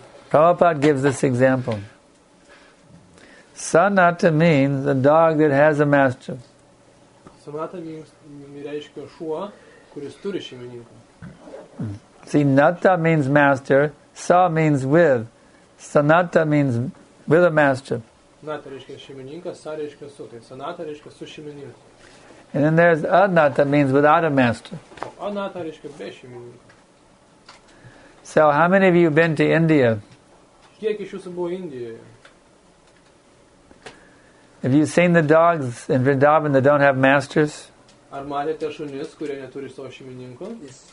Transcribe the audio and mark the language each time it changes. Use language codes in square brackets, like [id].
[en] Prabhupada gives this example. Sadnatta means a dog that has a master. [lt] Sanata reiškia šuo, kuris turi šeimininką. [en] See, natta means master, sa means with. Sanata means with a master. [lt] Natta reiškia šeimininką, sa reiškia su. Tai sanata reiškia su šeimininku. [en] And then there's anatta means without a master. [lt] Anatta reiškia be šeimininko. [en] So, how many of you have been to India? [lt] Kiek iš jūsų buvo Indijoje? [en] Have you seen the dogs in Vrindavan that don't have masters? [lt] Ar matėte šunis, kurie neturi savo šeimininko?